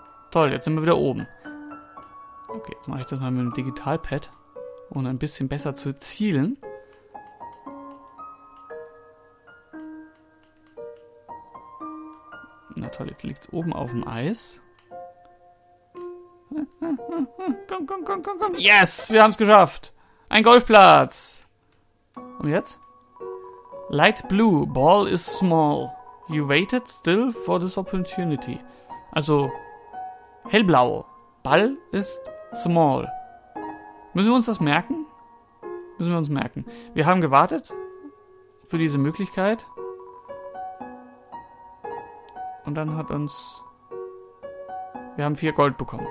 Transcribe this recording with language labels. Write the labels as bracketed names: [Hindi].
[German] Toll, jetzt sind wir wieder oben. Okay, jetzt mache ich das mal mit dem Digitalpad, um ein bisschen besser zu zielen. Na toll, jetzt liegt es oben auf dem Eis. Komm. Yes, wir haben es geschafft. Ein Golfplatz. Und jetzt? [English] Light blue, ball is small. You waited still for this opportunity. [German] Also, hellblau, ball ist small. Müssen wir uns das merken? Wir haben gewartet für diese Möglichkeit. Und dann hat uns... Wir haben 4 Gold bekommen.